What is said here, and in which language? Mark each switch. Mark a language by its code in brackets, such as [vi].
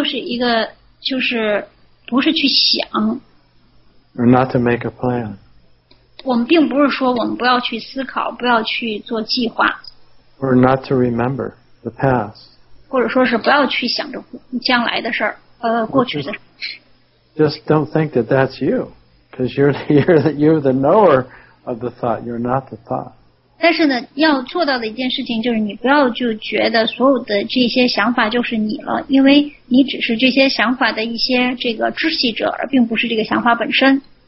[zh] 那么这又是一个就是不是去想。 [en] Or not to make a plan. [zh] 我们并不是说我们不要去思考，不要去做计划。 [en] Or not to remember the past. [zh] 或者说是不要去想着将来的事儿，过去的。 [en] Just don't think that that's you, because you're the knower of the thought. You're not the thought. [zh] 但是呢，要做到的一件事情就是，你不要就觉得所有的这些想法就是你了，因为你只是这些想法的一些这个知悉者，而并不是这个想法本身。